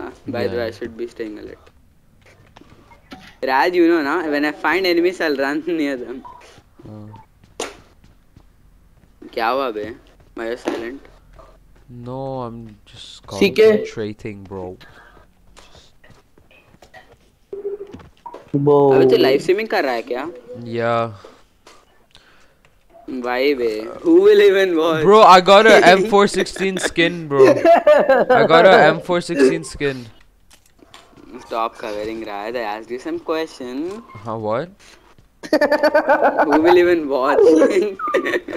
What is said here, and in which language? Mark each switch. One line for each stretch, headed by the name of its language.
English: By the way, I should be staying alert. Raj, you know, na, when I find enemies, I'll run near them.
Hindi: Kya hua be?
English: Why are you silent? No, I'm just concentrating, bro.
Hindi: अबे तो live streaming कर रहा है क्या? या भाई बे,
English: who will even watch? Bro, I got a M416 skin, bro. I got a M416 skin. Stop covering Riot. I asked you some question. What? Who will even watch?